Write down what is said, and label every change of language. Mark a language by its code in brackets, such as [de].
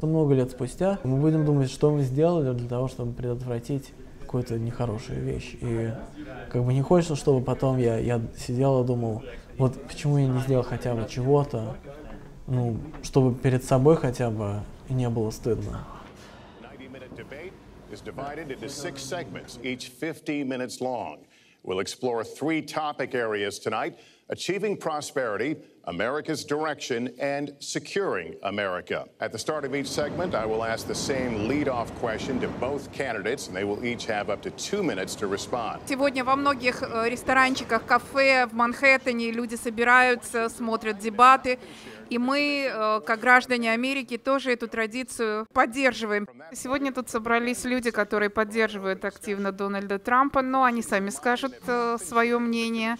[ru] Много лет спустя мы будем думать, что мы сделали для того, чтобы предотвратить какую-то нехорошую вещь. И как бы не хочется, чтобы потом я сидел и думал, вот почему я не сделал хотя бы чего-то, ну, чтобы перед собой хотя бы не было стыдно. [en] Is divided into six segments, each 15 minutes long. We'll explore three topic areas tonight: achieving prosperity, America's direction, and securing America. At the start of each segment, I will ask the same lead-off question to both candidates, and they will each have up to 2 minutes to respond. [ru] Сегодня во многих ресторанчиках, кафе в Манхэттене люди собираются, смотрят дебаты. И мы, как граждане Америки, тоже эту традицию поддерживаем. Сегодня тут собрались люди, которые поддерживают активно Дональда Трампа, но они сами скажут свое мнение.